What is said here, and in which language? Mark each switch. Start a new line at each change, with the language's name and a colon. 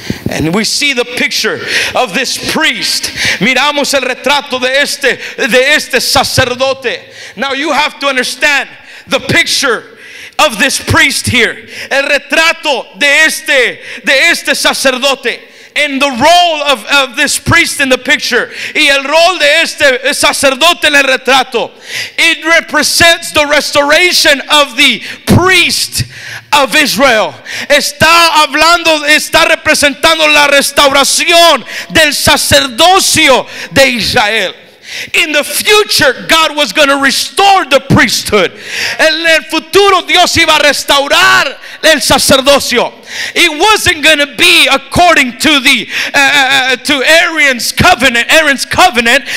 English: And we see the picture of this priest.
Spanish: Miramos el retrato de este sacerdote.
English: Now you have to understand the picture of this priest here.
Spanish: El retrato de este sacerdote.
English: And the role of this priest in the picture.
Spanish: Y el rol de este sacerdote en el retrato.
English: It represents the restoration of the priest of Israel.
Spanish: Está hablando, está representando la restauración del sacerdocio de Israel.
English: In the future, God was going to restore the priesthood.
Spanish: En el futuro, Dios iba a restaurar el sacerdocio.
English: It wasn't going to be according to the Aaron's covenant.